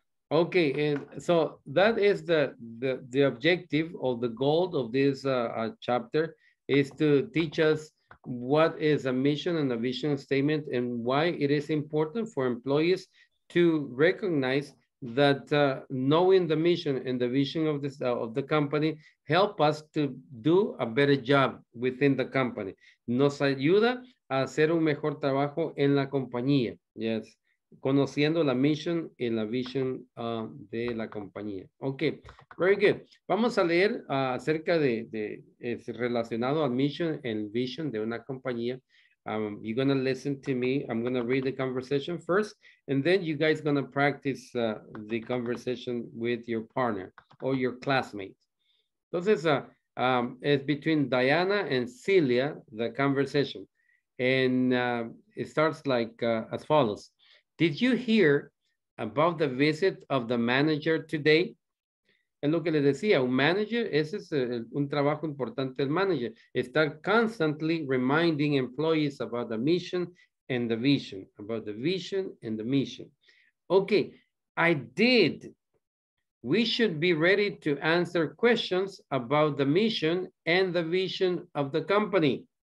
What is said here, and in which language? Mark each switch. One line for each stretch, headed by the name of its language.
English: Okay, and so that is the objective of the goal of this chapter is to teach us what is a mission and a vision statement and why it is important for employees to recognize that knowing the mission and the vision of this of the company help us to do a better job within the company.
Spanish: Nos ayuda a hacer un mejor trabajo en la compañía. Yes, conociendo la mission y la vision de la compañía.
English: Okay, very good.
Spanish: Vamos a leer acerca de es relacionado al mission and vision de una compañía.
English: You're going to listen to me. I'm going to read the conversation first, and then you guys going to practice the conversation with your partner or your classmate. Entonces, it's between Diana and Celia, the conversation. And it starts like as follows. Did you hear about the visit of the manager today?
Spanish: Es lo que les decía, un manager, ese es un trabajo importante del manager.
English: Estar constantly reminding employees about the mission and the vision. About the vision and the mission. Okay, I did. We should be ready to answer questions about the mission and the vision of the company.